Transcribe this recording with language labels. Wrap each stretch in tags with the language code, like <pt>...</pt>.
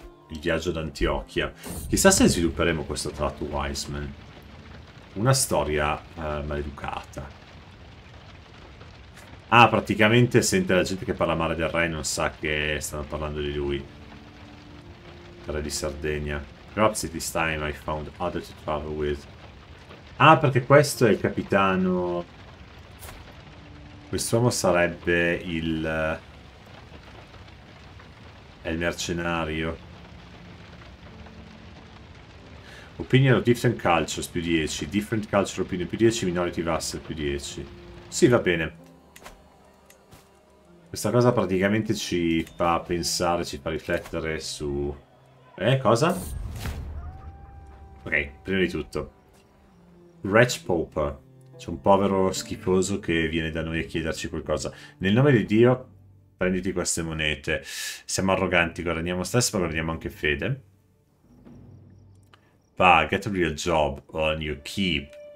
<it>Il viaggio ad Antiochia. Chissà se svilupperemo questo tratto Wiseman. Una storia maleducata. Ah, praticamente sente la gente che parla male del re e non sa che stanno parlando di lui. Re di Sardegna. Grazie,</it> <en>this time I found other to travel with.</en> <it>Ah, perché questo è il capitano. Quest'uomo sarebbe il. È il mercenario.</it> <en>Opinion of different cultures,</en> <it>più 10.</it> <en>Different culture opinion, più 10. Minority vassal,</en> <it>più 10. Sì, va bene. Questa cosa praticamente ci fa pensare, ci fa riflettere su. Cosa? Ok, prima di tutto.</it> <en>Wretch Pope.</en> <it>C'è un povero schifoso che viene da noi a chiederci qualcosa. Nel nome di Dio, prenditi queste monete. Siamo arroganti, guadagniamo stesso, ma guadagniamo anche fede. Va,</it> <en>get a real job on your keep.</en>